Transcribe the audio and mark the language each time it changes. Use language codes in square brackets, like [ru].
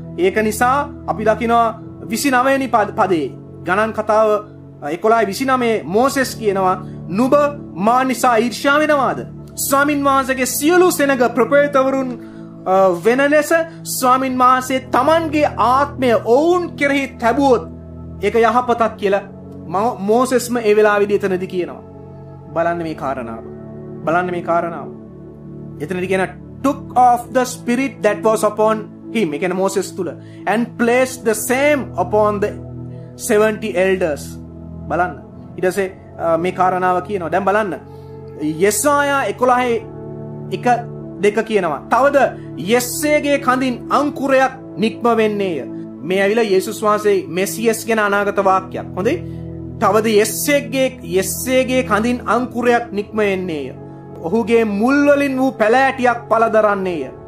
[si] ඒක නිසා අපි දකිනවා 29 වෙනි පදේ ගණන් කතාව 11:29 මෝසෙස් කියනවා, නුඹ මා නිසා ඊර්ෂ්‍යා වෙනවාද? ස්වාමින් වහන්සේගේ සියලු සෙනග ප්‍රොපේතවරුන් වෙන ලෙස ස්වාමින් වහන්සේ තමන්ගේ ආත්මය ඔවුන් කෙරෙහි තැබුවොත් ඒක යහපතක් කියලා මෝසෙස්ම ඒ වෙලාවේදී එතනදී කියනවා. බලන්න මේ කාරණාව, බලන්න මේ කාරණාව. එතනදී කියන [en] took off the spirit that was upon him, [si] ඒ කියන්නේ මෝසෙස් තුල, [en] and placed the same upon the 70 elders. [si] බලන්න ඊට පස්සේ මේ කාරණාව කියනවා. දැන් බලන්න යෙසායා 11:1-2 කියනවා, තවද යෙස්සේගේ කඳින් අංකුරයක් නික්ම වෙන්නේය. මේ ඇවිල්ලා යේසුස් වහන්සේ මෙසියස් ගැන අනාගත වාක්‍යයක්. හොඳයි, තවද යෙස්සේගේ කඳින් අංකුරයක් නික්ම වෙන්නේය, ඔහුගේ මුල්වලින් වූ පැලෑටියක් පළදරන්නේය.